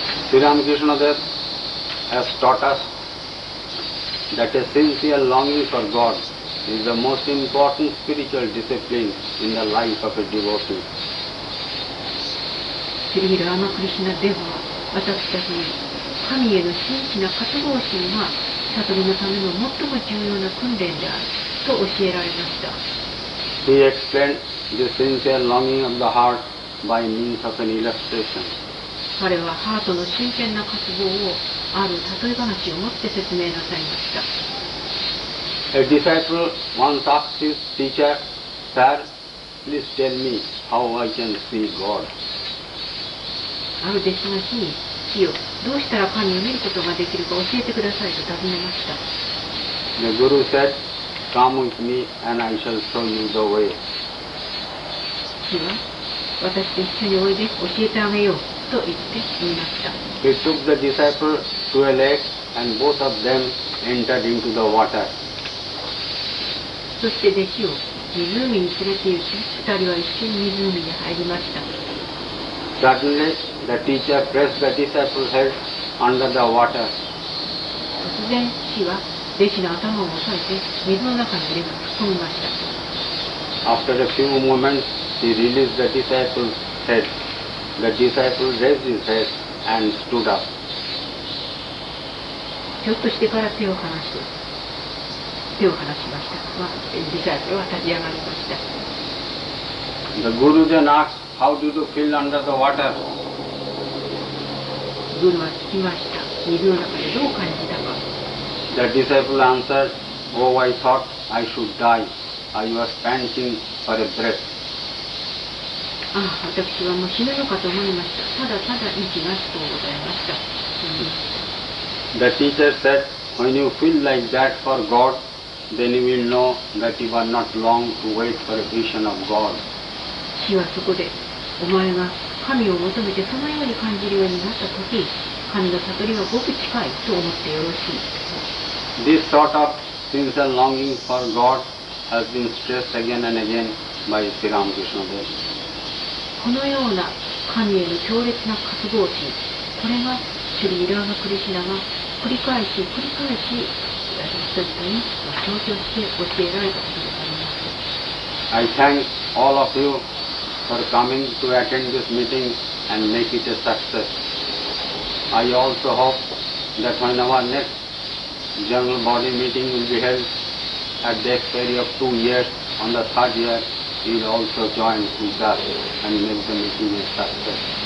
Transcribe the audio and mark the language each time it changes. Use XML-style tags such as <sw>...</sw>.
<en>Sri Ramakrishna Dev has taught us that a sincere longing for God is the most important spiritual discipline in the life of a devotee.</en> <ja>Sri Ramakrishna Dev は私たちに神への真摯な渇望心は悟りのための最も重要な訓練であると教えられました。</ja> <en>He explained the sincere longing of the heart by means of an illustration.</en> <ja>彼はハートの真剣な渇望をある例え話をもって説明なさいました。</ja> <en>A disciple once asked his teacher, Sir, please tell me how I can see God.</en> <ja>ある弟子の日に、師よ、どうしたら神を見ることができるか教えてくださいと尋ねました。</ja> <en>The Guru said, Come with me and I shall show you the way.</en> <ja>師は、私と一緒においで教えてあげようと言って言いました。</ja> <en>He took the disciple to a lake and both of them entered into the water.</en> <ja>そして弟子を湖に連れて行き、二人は一緒に湖に入りました。</ja> <en>Suddenly, the teacher pressed the disciple's head under the water.</en> <ja>突然、師は弟子の頭を押さえて水の中に入れ込みました。</ja> <en>After a few moments, he released the disciple's head. The disciple raised his head and stood up.</en> <ja>ちょっとしてから手を離しました。 disciple は立ち上がりました。</ja> <en>The Guru then asked,How did you feel under the water?</en> <ja>Guru は聞きました。水の中でどう感じたか。</ja> <en>The disciple answered, Oh, I thought I should die. I was panting for a breath.</en> <ja>ああ、私はもう死ぬのかと思いました。ただただ息がしとうございました。</ja> <en>The teacher said, When you feel like that for God, then you will know that you are not long to wait for a vision of God.</en> <ja>師はそこで、お前が神を求めてそのように感じるようになったとき、神の悟りはごく近いと思ってよろしい。</ja> <en>This sort of sincere longing for God has been stressed again and again by Sri Ramakrishna Dev.</en> <ja>このような神への強烈な渇望心、これがシュリ・ラーマ・クリシナが繰り返し繰り返し人々に強調して教えられたことであります。</ja> <en>I thank all of you. For coming to attend this meeting and make it a success. I also hope that when our next general body meeting will be held at the expiry of 2 years, on the 3rd year, you will also join with us and make the meeting a success.</en>